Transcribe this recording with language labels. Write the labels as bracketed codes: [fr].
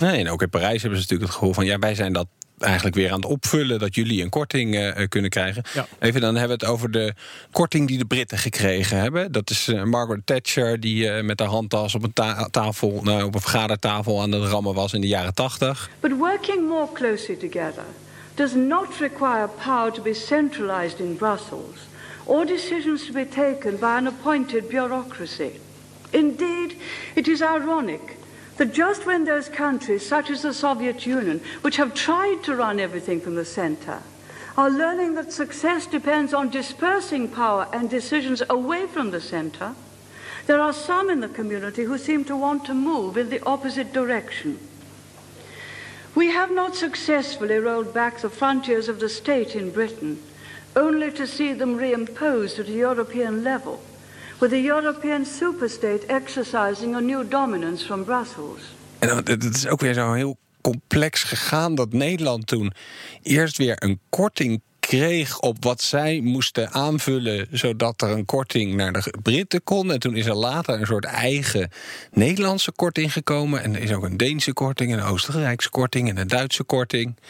[nl] Nee, en ook in Parijs hebben ze natuurlijk het gevoel van, ja, wij zijn dat eigenlijk weer aan het opvullen, dat jullie een korting kunnen krijgen. Ja. Even, dan hebben we het over de korting die de Britten gekregen hebben. Dat is Margaret Thatcher, die met haar handtas op een tafel, op een vergadertafel aan het rammen was in de jaren 80. [en] But working more closely together does not require power to be centralized in Brussels or decisions to be taken by an appointed bureaucracy. Indeed, it is ironic that just when those countries, such as the Soviet Union, which have tried to run everything from the center, are learning that success depends on dispersing power and decisions away from the center, there are some in the community who seem to want to move in the opposite direction. We have not successfully rolled back the frontiers of the state in Britain, only to see them reimposed at a European level, with a European superstate exercising a new dominance from Brussels. [nl] En dat is ook weer zo heel complex gegaan dat Nederland toen eerst weer een korting kreeg op wat zij moesten aanvullen, zodat er een korting naar de Britten kon. En toen is er later een soort eigen Nederlandse korting gekomen. En er is ook een Deense korting, een Oostenrijkse korting en een Duitse korting.